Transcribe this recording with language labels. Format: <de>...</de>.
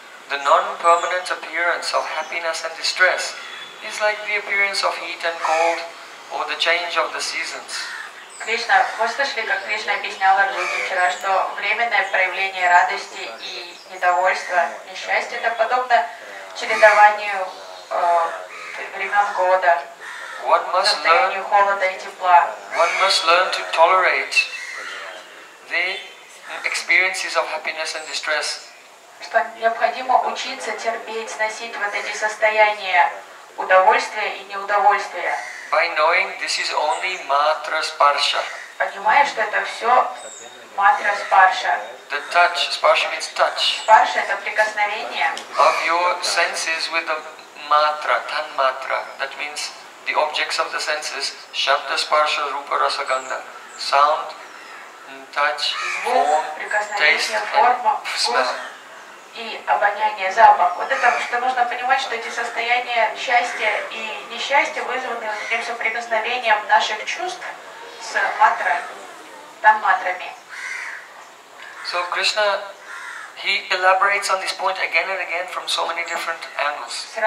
<en>The non-permanent appearance of happiness and distress is like the appearance of heat and cold or the change of the seasons.</en> <ru>Кришна, вы слышали, как Кришна объяснял Арджуне вчера, что временное проявление радости и недовольства, несчастья, это подобно чередованию времен года, состоянию холода и тепла.</ru> <en>One must learn to tolerate the experiences of happiness and distress.</en> <ru>Что необходимо учиться терпеть, сносить вот эти состояния удовольствия и неудовольствия.</ru> <en>By knowing this is only matra sparsha.</en> <ru>Понимая, что это все matra sparsha.</ru> <en>The touch, sparsha means touch.</en> <ru>Sparsha это прикосновение.</ru> <en>Of your senses with the matra, tan matra. That means the objects of the senses, shabda sparsha rupa rasa ganda. Sound, touch, form, taste, smell.</en> <ru>И обоняние, запах. Вот это, что нужно понимать, что эти состояния счастья и несчастья вызваны этим соприкосновением наших чувств с матра, тан-матрами.</ru> <en>So Krishna, he elaborates on this point again and again from so many different angles.</en>